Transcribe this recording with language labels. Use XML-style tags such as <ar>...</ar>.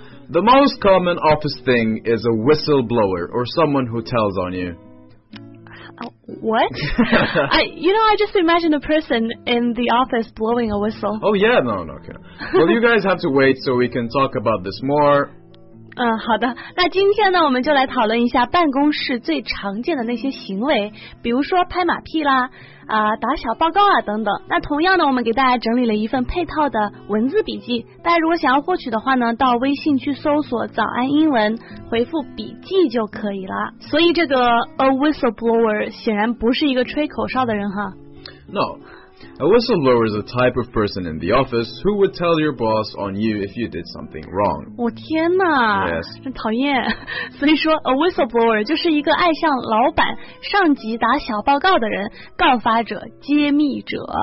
<en>The most common office thing is a whistleblower or someone who tells on you. What? I just imagine a person in the office blowing a whistle. Oh, yeah, no, okay. Well, you guys have to wait so we can talk about this more.</en> <zh>好的。那今天呢，我们就来讨论一下办公室最常见的那些行为，比如说拍马屁啦，打小报告啊等等。那同样呢，我们给大家整理了一份配套的文字笔记，大家如果想要获取的话呢，到微信去搜索“早安英文”，回复“笔记”就可以了。所以这个</zh> <en>a whistleblower</en> <zh>显然不是一个吹口哨的人哈。</zh> <en>No, a whistleblower is a type of person in the office who would tell your boss on you if you did something wrong.</en> <zh>我天哪！</zh> <en>Yes,</en> <zh>真讨厌。所以说</zh> <en>a whistleblower</en> <zh>就是一个爱向老板、上级打小报告的人，告发者、揭秘者。</zh>